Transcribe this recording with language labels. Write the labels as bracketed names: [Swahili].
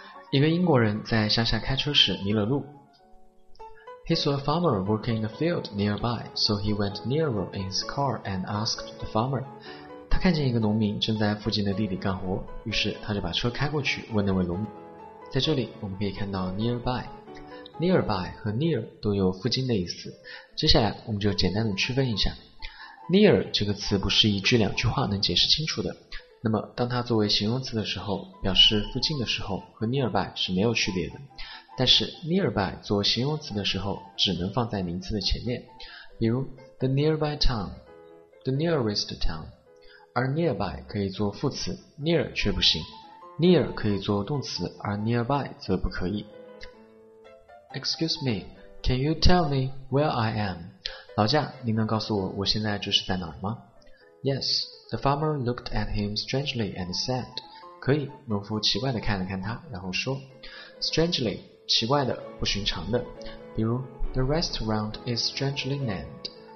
[Chinese] 一个英国人在乡下开车时迷了路， [English] He saw a farmer working in the field nearby, so he went nearer in his car and asked the farmer. [Chinese] 他看见一个农民正在附近的地里干活，于是他就把车开过去问那位农民。在这里我们可以看到 nearby。Nearby 和 near 都有附近的意思。接下来我们就简单的区分一下。Near 这个词不是一句两句话能解释清楚的。那么当它作为形容词的时候，表示附近的时候，和 nearby 是没有区别的。但是 nearby 做形容词的时候只能放在名词的前面，比如 [English] the nearby town, the nearest town, [Chinese] 而 nearby 可以做副词， near 却不行， near 可以做动词，而 nearby 则不可以。 [English] Excuse me, can you tell me where I am? [Chinese] 老驾，您能告诉我我现在这是在哪儿吗？ [English] Yes, the farmer looked at him strangely and said, [Chinese] 可以，农夫奇怪地看了看他，然后说 strangely,奇怪的，不寻常的。 [English] 比如 The restaurant is strangely named.